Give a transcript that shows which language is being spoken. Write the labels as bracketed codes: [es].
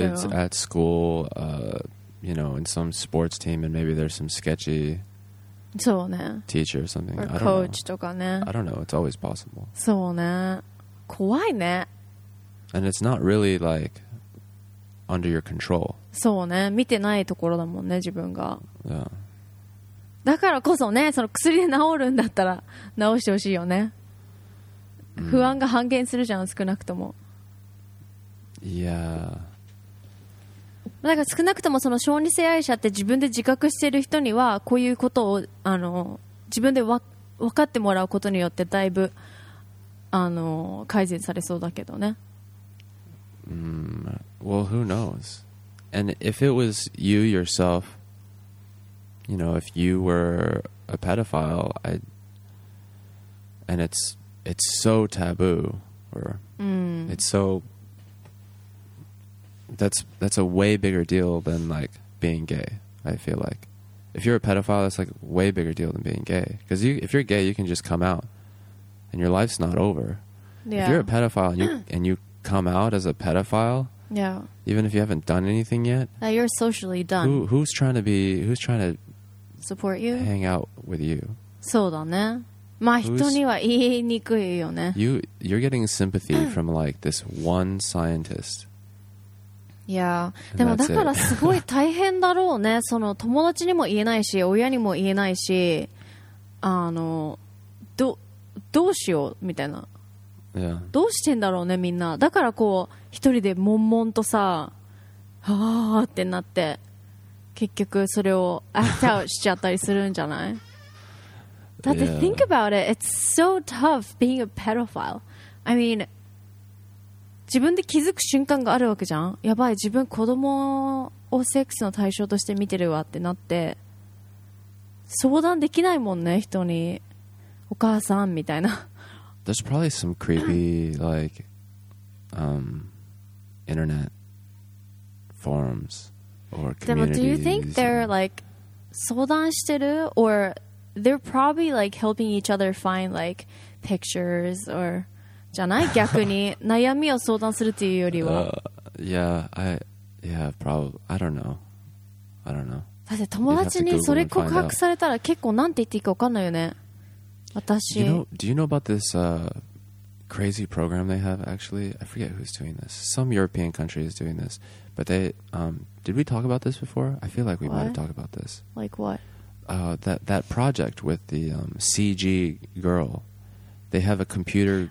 [en] You know, your kids at school, you know, in some sports team and maybe there's some sketchy [ja] そうね。 [en] Teacher or something. Or coach [ja] とかね。 [en] I don't know. It's always possible. [ja] そうね。怖いね。 [en] And it's not really like under your control. [ja] そうね。見てないところだもんね、自分が。 [en] Yeah. [ja] だからこそね、その薬で治るんだったら治してほしいよね。不安が半減するじゃん、少なくとも。 [en] Yeah. [ja] だから少なくともその小児性愛者って自分で自覚している人にはこういうことをあの自分で分かってもらうことによってだいぶあの改善されそうだけどね。 [en] Well, who knows? And if it was you yourself, you know, if you were a pedophile, and it's so taboo, or it's so... That's a way bigger deal than like being gay. I feel like if you're a pedophile, that's like way bigger deal than being gay. Because if you're gay, you can just come out, and your life's not over. Yeah. If you're a pedophile and you come out as a pedophile, yeah, even if you haven't done anything yet, you're socially done. Who's trying to support you? Hang out with you. [ja] そうだね。まあ人には言いにくいよね。 [en] You're getting sympathy from like this one scientist. [ja] いやでもだからすごい大変だろうねその友達にも言えないし親にも言えないしあの どうしようみたいな、 [en] yeah. [ja] どうしてんだろうねみんなだからこう一人で悶々とさはぁーってなって結局それをアクトアウトしちゃったりするんじゃない、 [en] yeah. [ja] だって [en] think about it it's so tough being a pedophile I mean [ja] 自分で気づく瞬間があるわけじゃん。やばい、自分子供をセックスの対象として見てるわってなって相談できないもんね、人に、お母さんみたいな。 [en] There's probably some creepy like internet forums or communities. Do you think they're like [ja] 相談してる [en] or they're probably like helping each other find like pictures or [ja] じゃない逆に悩みを相談するっていうよりは、 [en] yeah, probably, I don't know. [ja] だって友達にそれ告白されたら結構なんて言っていいか分かんないよね。私、 [en] you know, do you know about this crazy program they have? Actually, I forget who's doing this. Some European country is doing this, but they did we talk about this before? I feel like we might have talked about this. Like what? That project with the CG girl. They have a computer.